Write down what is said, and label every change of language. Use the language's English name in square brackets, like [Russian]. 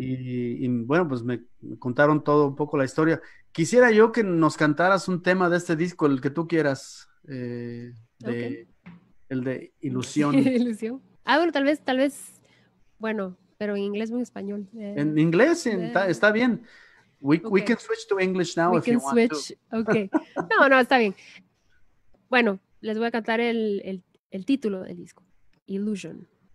[Spanish] Y bueno, pues me contaron todo un poco la historia. Quisiera yo que nos cantaras un tema de este disco, el que tú quieras. El de Ilusión. Ilusión. Ah, bueno, tal vez, bueno, pero en inglés o en español. En inglés, está bien. [English] We can switch to English now if you want to. We can switch, okay. [Spanish] No, está bien. Bueno, les voy a cantar el título del disco, Ilusión.